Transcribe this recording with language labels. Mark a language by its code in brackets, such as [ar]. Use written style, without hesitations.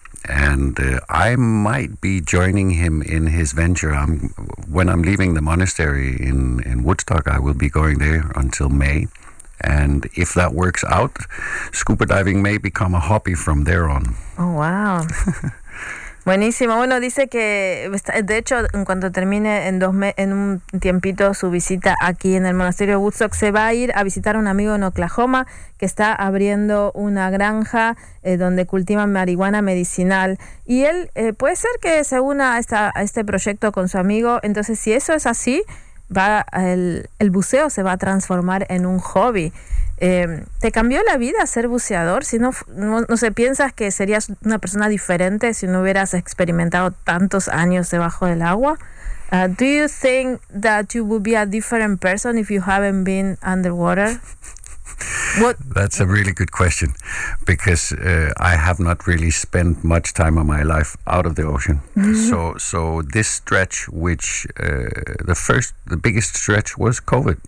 [en] And I might be joining him in his venture. When I'm leaving the monastery in Woodstock, I will be going there until May. And if that works out, scuba diving may become a hobby from there on. [es] Oh, wow. Buenísimo. Bueno, dice que, de hecho, en cuanto termine en un tiempito su visita aquí en el monasterio de Woodstock, se va a ir a visitar a un amigo en Oklahoma que está abriendo una granja donde cultivan marihuana medicinal. Y él puede ser que se una a este proyecto con su amigo. Entonces, si eso es así, el buceo se va a transformar en un hobby. ¿Te cambió la vida ser buceador? Si no sé, ¿piensas que serías una persona diferente si no hubieras experimentado tantos años debajo del agua? [en] Do you think that you would be a different person if you haven't been underwater? What? That's a really good question, because I have not really spent much time of my life out of the ocean. Mm-hmm. So this stretch, which the biggest stretch was COVID.